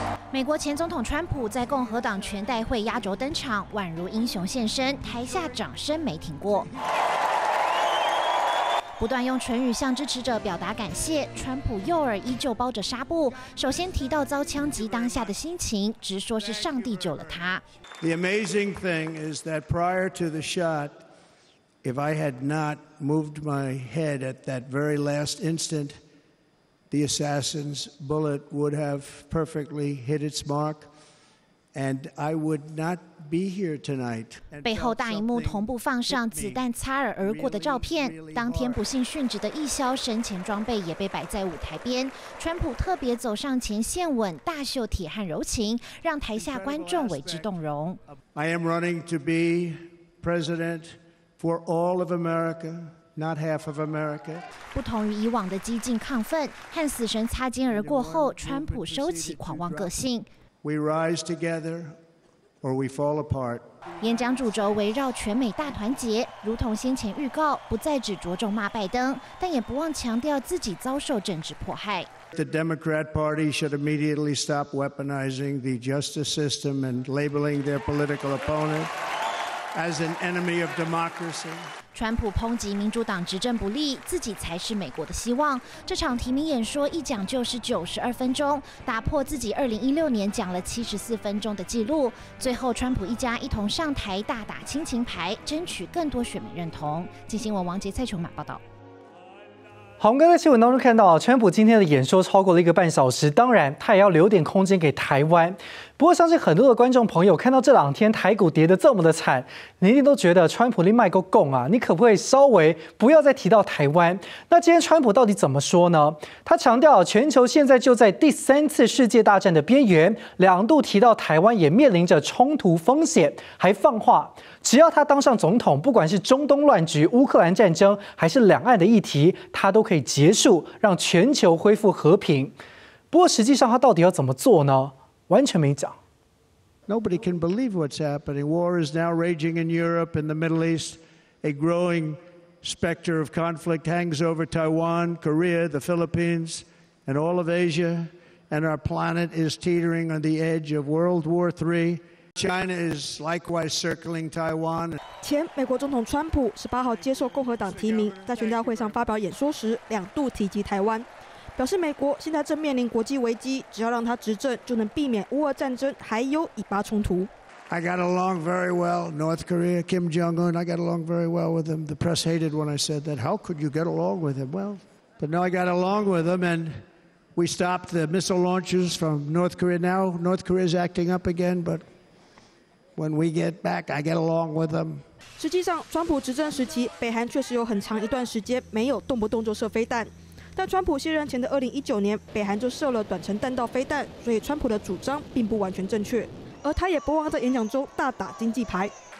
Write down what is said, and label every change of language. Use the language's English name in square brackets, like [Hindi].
[Chinese] 美国前总统川普在共和党全代会压轴登场，宛如英雄现身，台下掌声没停过，不断用唇语向支持者表达感谢。川普右耳依旧包着纱布，首先提到遭枪击当下的心情，直说是上帝救了他。 [English] The amazing thing is that prior to the shot, if I had not moved my head at that very last instant, the assassin's bullet would have perfectly hit its mark. And I would not be here tonight. [Chinese] 背后大荧幕同步放上子弹擦耳而过的照片，当天不幸殉职的义消生前装备也被摆在舞台边，川普特别走上前献吻，大秀铁汉柔情，让台下观众为之动容。 [English] I am running to be president for all of America. Not half of America. [Chinese] 不同于以往的激进亢奋，和死神擦肩而过后，川普收起狂妄个性。 [English] We rise together, or we fall apart. [Chinese] 演讲主轴围绕全美大团结，如同先前预告，不再只着重骂拜登，但也不忘强调自己遭受政治迫害。 [English] The Democrat Party should immediately stop weaponizing the justice system and labeling their political opponent as an enemy of democracy. [Chinese] 川普抨击民主党执政不力，自己才是美国的希望。这场提名演说一讲就是92分钟，打破自己2016年讲了74分钟的记录。最后，川普一家一同上台大打亲情牌，争取更多选民认同。金星网王杰蔡琼马报道。好，我们刚才新闻当中看到，川普今天的演说超过了一个半小时，当然他也要留点空间给台湾。不过相信很多的观众朋友看到这两天台股跌得这么的惨，你一定都觉得川普你卖够贡啊，你可不可以稍微不要再提到台湾？那今天川普到底怎么说呢？他强调全球现在就在第三次世界大战的边缘，两度提到台湾也面临着冲突风险，还放话只要他当上总统，不管是中东乱局、乌克兰战争，还是两岸的议题，他都可以结束，让全球恢复和平。不过实际上他到底要怎么做呢？完全没讲。 [English] Nobody can believe what's happening. War is now raging in Europe and the Middle East. A growing specter of conflict hangs over Taiwan, Korea, the Philippines, and all of Asia. And our planet is teetering on the edge of World War III. China is likewise circling Taiwan. [Chinese] 前美国总统川普18号接受共和党提名，在全代会上发表演说时，两度提及台湾，表示美国现在正面临国际危机，只要让他执政，就能避免乌俄战争，还有以巴冲突。 [English] I got along very well North Korea, Kim Jong Un. I got along very well with him. The press hated when I said that. How could you get along with him? Well, but now I got along with him and. We stopped the missile launches from North Korea. Now North Korea is acting up again, but when we get back, I get along with them. [Chinese] 实际上，川普执政时期，北韩确实有很长一段时间没有动不动就射飞弹。但川普卸任前的2019年，北韩就射了短程弹道飞弹，所以川普的主张并不完全正确。而他也不忘在演讲中大打经济牌。